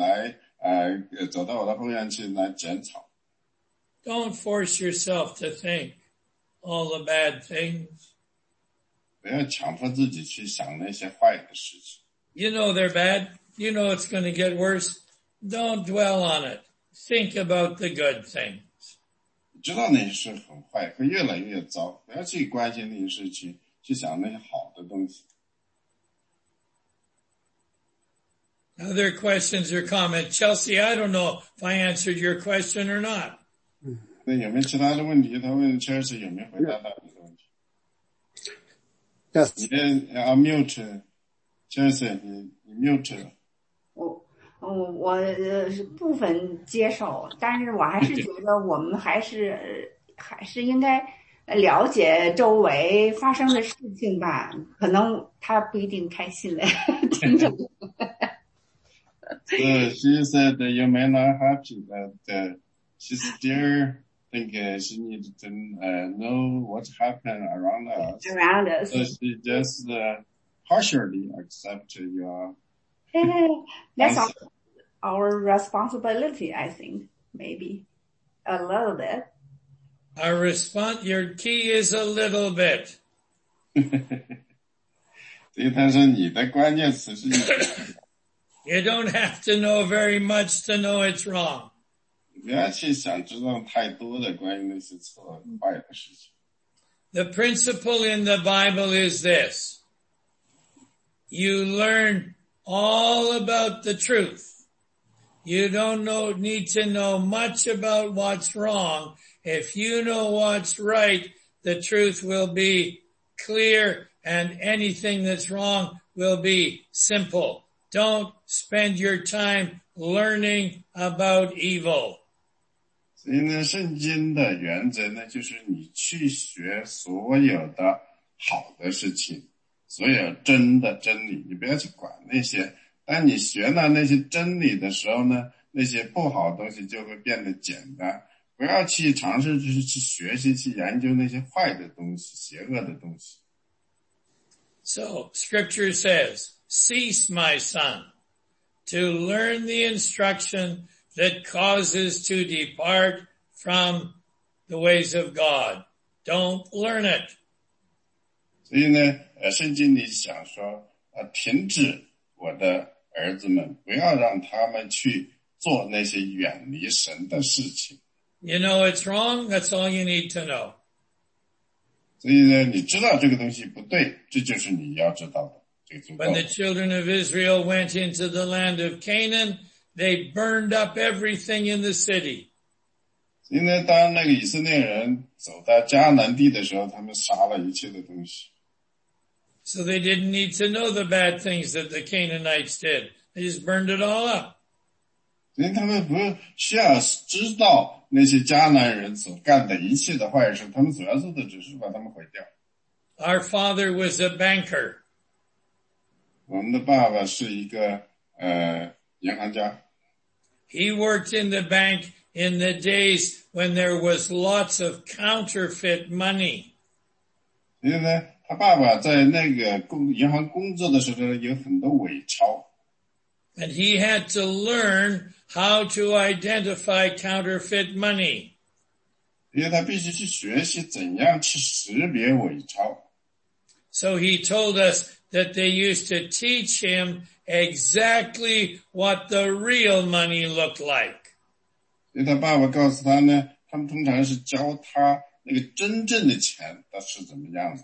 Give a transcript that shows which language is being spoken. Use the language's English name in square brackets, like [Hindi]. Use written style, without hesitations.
[Chinese] 所以呢，我就从椅子上站起来，走到我的后院去来剪草。 [English] Don't force yourself to think all the bad things. [Chinese] 不要强迫自己去想那些坏的事情。 [English] You know they're bad. You know it's going to get worse. Don't dwell on it. Think about the good thing. [Chinese] 知道那些事很坏，会越来越糟。不要去关心那些事情，去想那些好的东西。 [English] Other questions or comments, Chelsea? I don't know if I answered your question or not. [Chinese] 那有没有其他的问题？他问 Chelsea 有没有回答到你的问题。 [English] Yes. [Chinese] 你 unmute Chelsea， 你 mute 了。哦，我部分接受，但是我还是觉得我们还是应该了解周围发生的事情吧，可能他不一定开心了，听着。 [English] She said that you may not happy, but she still think she needs to know what's happened around us. Around us. So she just partially accept your. That's our responsibility, I think, maybe a little bit. Our response, your key is a little bit. [Chinese] 所以他说你的关键词是你。 [English] You don't have to know very much to know it's wrong. [Chinese] 不要去想知道太多的关于那些错坏的事情。 [English] The principle in the Bible is this. You learn all about the truth. You don't know, need to know much about what's wrong. If you know what's right, the truth will be clear and anything that's wrong will be simple. Don't spend your time learning about evil. [Chinese] 所以呢，圣经的原则呢，就是你去学所有的好的事情，所有真的真理，你不要去管那些。当你学了那些真理的时候呢，那些不好的东西就会变得简单。不要去尝试，就是去学习，去研究那些坏的东西，邪恶的东西。 [English] So, scripture says, cease, my son, to learn the instruction that causes to depart from the ways of God. Don't learn it. [Chinese] 所以呢，圣经里想说，停止我的儿子们，不要让他们去做那些远离神的事情。 [English] You know it's wrong, that's all you need to know. [Chinese] 所以呢，你知道这个东西不对，这就是你要知道的。 [English] When the children of Israel went into the land of Canaan, they burned up everything in the city. [Chinese] 因为当那个以色列人走到迦南地的时候，他们杀了一切的东西。 [English] So they didn't need to know the bad things that the Canaanites did. They just burned it all up. [Chinese] 所以他们不需要知道那些迦南人所干的一切的坏事，他们主要做的只是把他们毁掉。 [English] Our father was a banker. [Chinese] 我们的爸爸是一个银行家。 [English] He worked in the bank in the days when there was lots of counterfeit money. [Chinese] 因为呢，他爸爸在那个银行工作的时候有很多伪钞。 [English] And he had to learn how to identify counterfeit money. [Chinese] 因为他必须去学习怎样去识别伪钞。 [English] So he told us that they used to teach him exactly what the real money looked like. [Chinese] 因为他爸爸告诉他呢，他们通常是教他那个真正的钱它是怎么样的。